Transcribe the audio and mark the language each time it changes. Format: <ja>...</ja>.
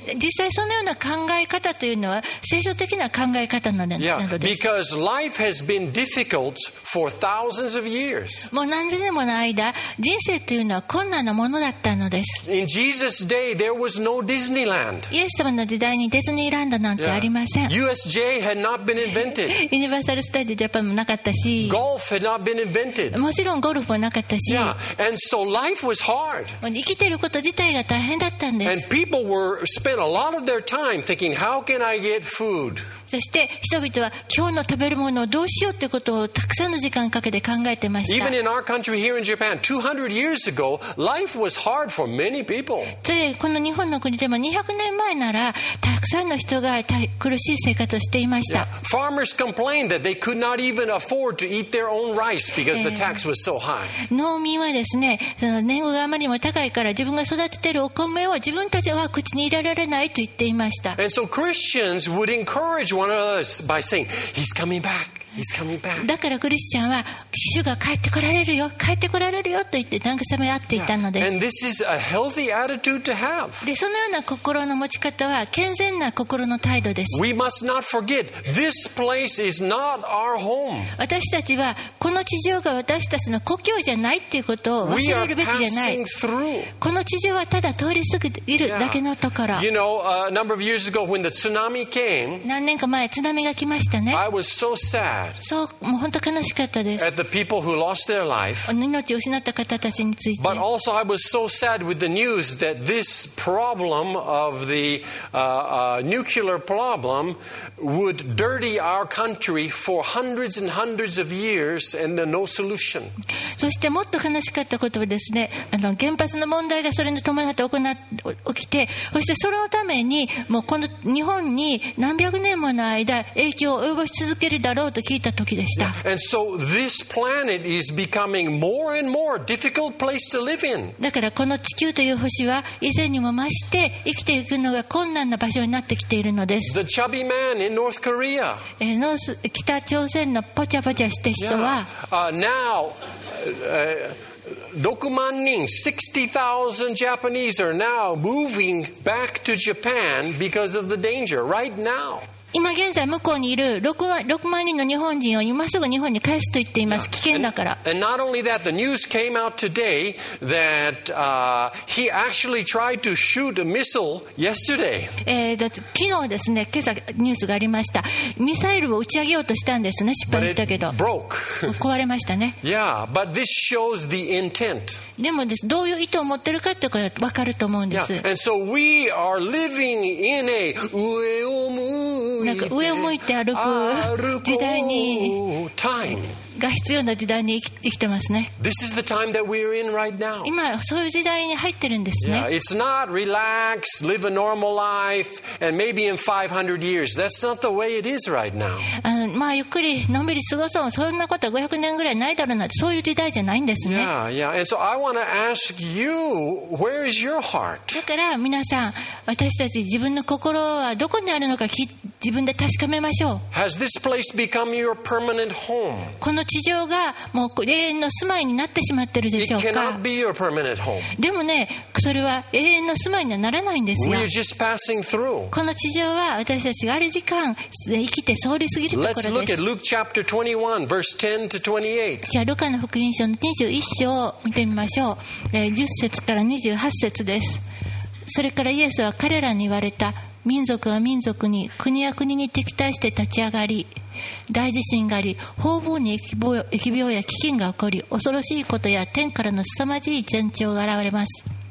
<ja>実際そのような考え方というのは聖書的な考え方なのです。</ja> <en>Yeah, because life has been difficult for thousands of years.</en> <ja>もう何千年もの間、人生というのは困難なものだったのです。</ja> <en>In Jesus' day, there was no Disneyland.</en> <ja>イエス様の時代にディズニーランドなんてありません。</ja> <en>Yeah. USJ had not been invented.</en> <ja>ユニバーサルスタジオジャパンもなかったし。</ja> <en>Golf had not been invented.</en> <ja>もちろんゴルフもなかったし。</ja> <en>Yeah, and so life was hard.</en> <ja>生きてること自体が大変だったんです。</ja> <en>And people were spent a lot of their time thinking, how can I get food?</en> <ja>そして人々は今日の食べるものをどうしようということをたくさんの時間かけて考えてました。</ja> <en>Even in our country here in Japan, 200 years ago, life was hard for many people.</en> <ja>で、この日本の国でも200年前ならたくさんの人が苦しい生活をしていました。</ja> <en>Yeah. Farmers complained that they could not even afford to eat their own rice because the tax was so high.</en> <ja>農民はですね、その年貢があまりにも高いから自分が育ててるお米を自分たちは口に入れられないと言っていました。</ja> <en>And so Christians would encourageone of us by saying, he's coming back. He's coming back.</en> <ja>だからクリスチャンは主が帰ってこられるよ、帰ってこられるよと言って慰め合っていたのです。</ja> <en>Yeah. And this is a healthy attitude to have.</en> <ja>で、そのような心の持ち方は健全な心の態度です。</ja> <en>We must not forget, this place is not our home.</en> <ja>私たちはこの地上が私たちの故郷じゃないということを忘れるべきじゃない。</ja> <en>We are passing through.</en> <ja>この地上はただ通り過ぎるだけのところ。</ja> <en>You know, a number of years ago when the tsunami came,</en> <ja>何年か前津波が来ましたね。</ja> <en>I was so sad.</en> <ja>そう、もう本当悲しかったです。</ja> <en>At the people who lost their life,</en> <ja>命を失った方たちについて。</ja> <en>But also I was so sad with the news that this problem of the nuclear problem would dirty our country for hundreds and hundreds of years and then no solution.</en> <ja>そしてもっと悲しかったことはですね、原発の問題がそれに伴って起きて、そしてそれのためにもうこの日本に何百年もの間影響を及ぼし続けるだろうと。聞いた時でした。</ja> <en>Yeah. And so this planet is becoming more and more difficult place to live in.</en> <ja>だからこの地球という星は以前にも増して生きていくのが困難な場所になってきているのです。</ja> <en>The chubby man in North Korea.</en> <ja>北朝鮮のポチャポチャした人は、</ja> <en>Yeah. Now, 6万人, 60,000 Japanese are now moving back to Japan because of the danger right now.</en> <ja>今現在向こうにいる6万人の日本人を今すぐ日本に返すと言っています。危険だから。</ja> <en>And not only that, the news came out today that he actually tried to shoot a missile yesterday.</en> <ja>昨日ですね、今朝ニュースがありました。ミサイルを打ち上げようとしたんですね。失敗したけど、</ja> <en>but it broke.</en> <ja>壊れましたね。</ja> <en>Yeah, but this shows the intent.</en> <ja>でもです、どういう意図を持ってるかっていうか分かると思うんです。</ja> <en>Yeah. And so we are living in a</en> <ja>上を向なんか上を向いて歩く時代にが必要な時代に生きてますね。</ja> <en>This is the time that we're in right now.</en> <ja>今そういう時代に入ってるんですね。</ja> <en>Yeah, it's not relax, live a normal life, and maybe in 500 years. That's not the way it is right now.</en> <ja>まあゆっくりのんびり過ごそう。そんなこと500年ぐらいないだろうな。そういう時代じゃないんですね。</ja> <en>Yeah, yeah. And so I want to ask you, where is your heart?</en> <ja>だから皆さん、私たち自分の心はどこにあるのか自分で確かめましょう。</ja> <en>Has this place become your permanent home?</en> <ja>この地上がもう永遠の住まいになってしまってるでしょうか。</ja> <en>It cannot be your permanent home.</en> <ja>でもね、それは永遠の住まいにはならないんですよ。</ja> <en>We're just passing through.</en> <ja>この地上は私たちがある時間生きて通り過ぎるところです。</ja> <en>Let's look at Luke chapter 21, verse 10 to 28.</en> <ja>じゃあルカの福音書の21章を見てみましょう。 10節から28節です。それからイエスは彼らに言われた。民族は民族に、国は国に敵対して立ち上がり、大地震があり、方々に疫病や飢饉が起こり、恐ろしいことや天からの凄まじい前兆が現れます。</ja>